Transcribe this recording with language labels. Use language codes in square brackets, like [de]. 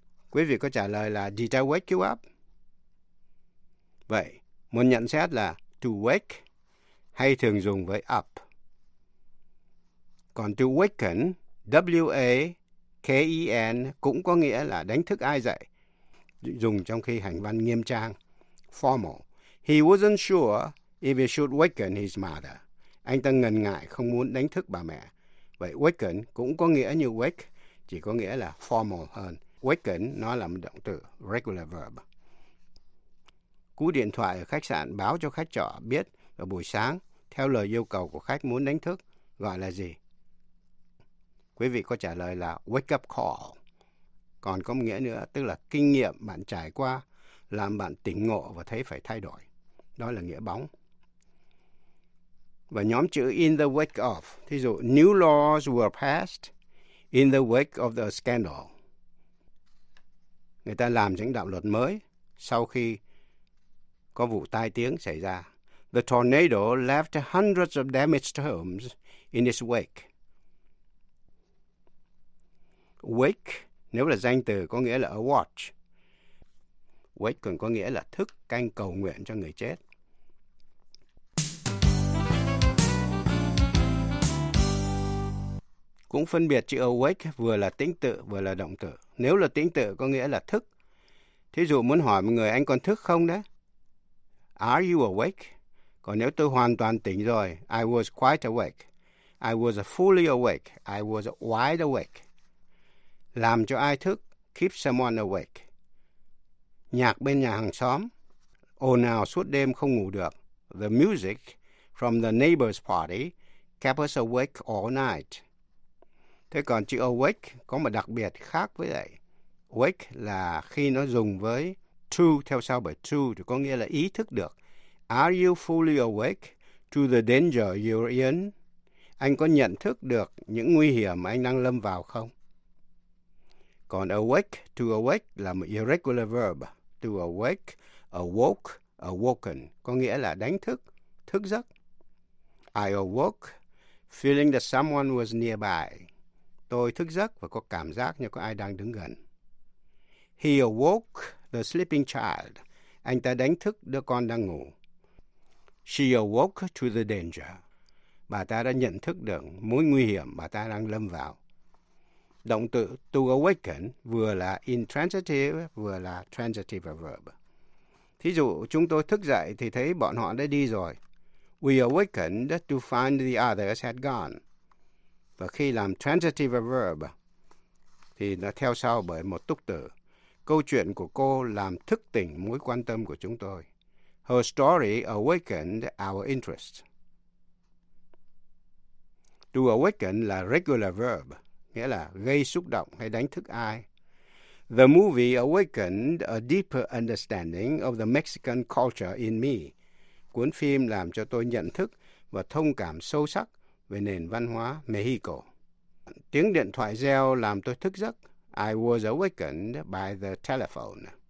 [vi] Quý vị có trả lời là [en] did I wake you up? [vi] Vậy, một nhận xét là to wake hay thường dùng với up. Còn to waken, W-A-K-E-N cũng có nghĩa là đánh thức ai dậy. dùng trong khi hành văn nghiêm trang. [en] Formal. He wasn't sure if he should waken his mother. [vi] Anh ta ngần ngại không muốn đánh thức bà mẹ. [en] Vậy waken cũng có nghĩa như wake, [vi] chỉ có nghĩa là formal hơn. Waken nó là một động từ, regular verb. Cú điện thoại ở khách sạn báo cho khách trọ biết vào buổi sáng, theo lời yêu cầu của khách muốn đánh thức, gọi là gì? Quý vị có trả lời là wake up call. Còn có nghĩa nữa, tức là kinh nghiệm bạn trải qua làm bạn tỉnh ngộ và thấy phải thay đổi. Đó là nghĩa bóng. Và nhóm chữ in the wake of, thí dụ [en] new laws were passed in the wake of the scandal. [vi] Người ta làm những đạo luật mới sau khi có vụ tai tiếng xảy ra. [en] The tornado left hundreds of damaged homes in its wake. [vi] Wake, nếu là danh từ, có nghĩa là a watch. Wake còn có nghĩa là thức, canh, cầu nguyện cho người chết. Cũng phân biệt chữ awake vừa là tĩnh tự vừa là động từ. Nếu là tĩnh tự có nghĩa là thức. Thí dụ muốn hỏi một người anh còn thức không đấy? [en] Are you awake? [vi] Còn nếu tôi hoàn toàn tỉnh rồi, [en] I was quite awake. I was fully awake. I was wide awake. [vi] Làm cho ai thức, [en] keep someone awake. [vi] Nhạc bên nhà hàng xóm, ồn ào suốt đêm không ngủ được. [en] The music from the neighbor's party kept us awake all night. [vi] Thế còn chữ awake có một đặc biệt khác với vậy. Wake là khi nó dùng với to, theo sau bởi to thì có nghĩa là ý thức được. [en] Are you fully awake to the danger you're in? [vi] Anh có nhận thức được những nguy hiểm mà anh đang lâm vào không? Còn awake, to awake là một irregular verb. To awake, awoke, awoken có nghĩa là đánh thức, thức giấc. [en] I awoke feeling that someone was nearby. [vi] Tôi thức giấc và có cảm giác như có ai đang đứng gần. [en] He awoke the sleeping child. [vi] Anh ta đánh thức đứa con đang ngủ. [en] She awoke to the danger. [vi] Bà ta đã nhận thức được mối nguy hiểm bà ta đang lâm vào. Động từ to awaken vừa là intransitive vừa là transitive verb. Thí dụ, chúng tôi thức dậy thì thấy bọn họ đã đi rồi. [en] We awakened to find the others had gone. [vi] Và khi làm transitive verb thì nó theo sau bởi một túc từ. Câu chuyện của cô làm thức tỉnh mối quan tâm của chúng tôi. [en] Her story awakened our interest. [vi] To awaken là regular verb, nghĩa là gây xúc động hay đánh thức ai. [en] The movie awakened a deeper understanding of the Mexican culture in me. [vi] Cuốn phim làm cho tôi nhận thức và thông cảm sâu sắc về nền văn hóa Mexico. Tiếng điện thoại reo làm tôi thức giấc. [en] I was awakened by the telephone.